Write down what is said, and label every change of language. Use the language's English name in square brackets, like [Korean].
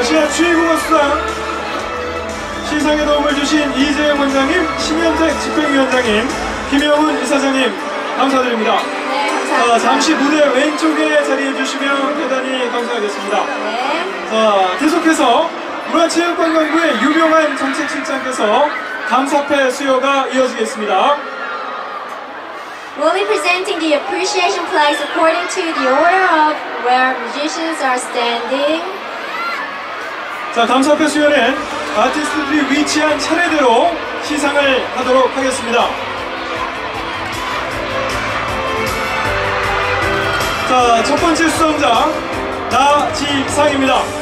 [Korean] 아시아 최고 가수상 시상에 도움을 주신 이재영 원장님, 신현택 집행위원장님, 김영훈 이사장님 감사드립니다. 네, 감사합니다. 잠시 무대 왼쪽에 자리해 주시면 대단히 감사하겠습니다. 네. 계속해서 문화체육관광부의 유명한 정책실장께서 감사패 수여가 이어지겠습니다. [English] We'll be presenting the appreciation plaques according to the order of where musicians are standing. [Korean] 자, 감사패 수여는 아티스트들이 위치한 차례대로 시상을 하도록 하겠습니다. 자, 첫 번째 수상자 나지상입니다.